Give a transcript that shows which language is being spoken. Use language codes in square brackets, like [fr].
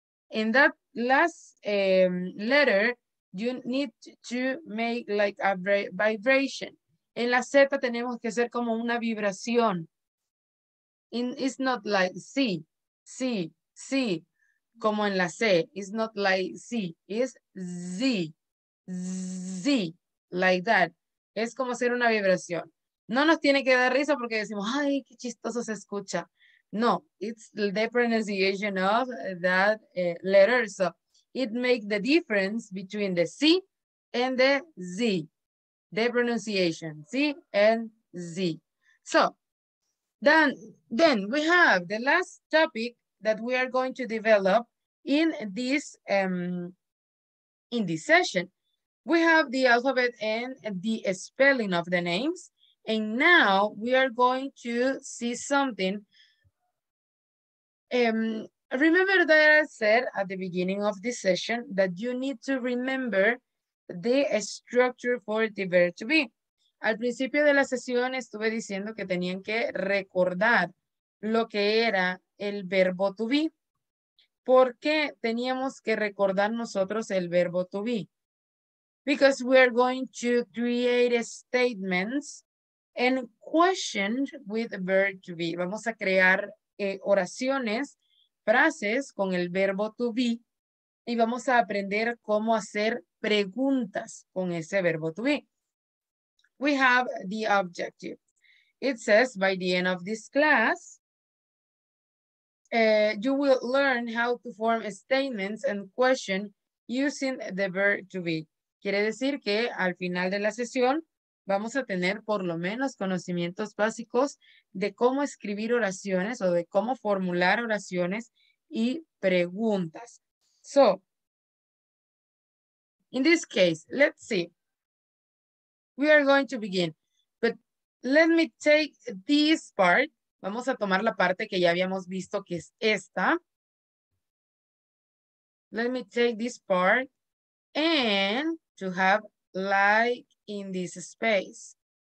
[en] In that last letter, you need to make like a vibration. [es] En la Z tenemos que hacer como una vibración. [en] It's not like C, C, C. [es] Como en la C, [en] it's not like C, it's Z, Z, like that. [es] Es como hacer una vibración. No nos tiene que dar risa porque decimos, ay, qué chistoso se escucha. [en] No, it's the pronunciation of that letter. So it makes the difference between the C and the Z, the pronunciation, C and Z. So then we have the last topic that we are going to develop in this session. We have the alphabet and the spelling of the names. And now we are going to see something. Remember that I said at the beginning of this session that you need to remember the structure for the verb to be. [es] Al principio de la sesión estuve diciendo que tenían que recordar lo que era el verbo to be. ¿Por qué teníamos que recordar nosotros el verbo to be? [en] Because we are going to create statements and questions with the verb to be. [es] Vamos a crear oraciones, frases con el verbo to be y vamos a aprender cómo hacer preguntas con ese verbo to be. [en] We have the objective. It says by the end of this class, you will learn how to form statements and questions using the verb to be. [es] Quiere decir que al final de la sesión vamos a tener por lo menos conocimientos básicos de cómo escribir oraciones o de cómo formular oraciones y preguntas. [en] So, in this case, let's see. We are going to begin. But let me take this part. [es] Vamos a tomar la parte que ya habíamos visto, que es esta. [en] Let me take this part and to have like in this space.